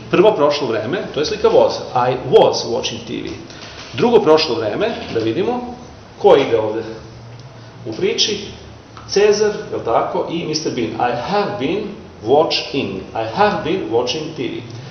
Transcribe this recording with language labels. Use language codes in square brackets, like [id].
[sr] Prvo prošlo vreme, to je slika was, [en] I was watching TV. [sr] Drugo prošlo vreme, da vidimo, ko ide ovde u priči, Cezar, je li tako, i Mr. [en] Bean, I have been watching, I have been watching TV.